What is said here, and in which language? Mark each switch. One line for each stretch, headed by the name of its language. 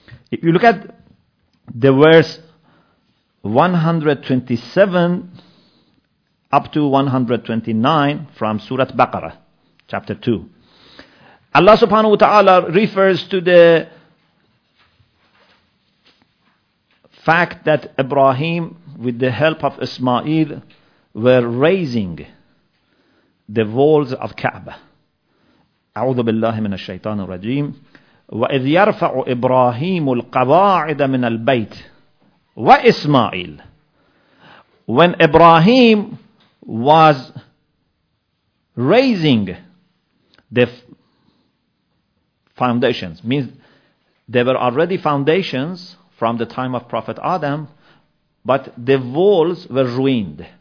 English: If you look at the verse 127 up to 129 from Surah Baqarah, chapter 2, Allah subhanahu wa ta'ala refers to the fact that Ibrahim, with the help of Ismail, were raising the walls of Kaaba.
Arabic: أعوذ بالله من الشيطان الرجيم وإذ يرفع إبراهيم القواعد من البيت وإسماعيل.
English: When Ibrahim was raising the foundations, means there were already foundations from the time of Prophet Adam, but the walls were ruined.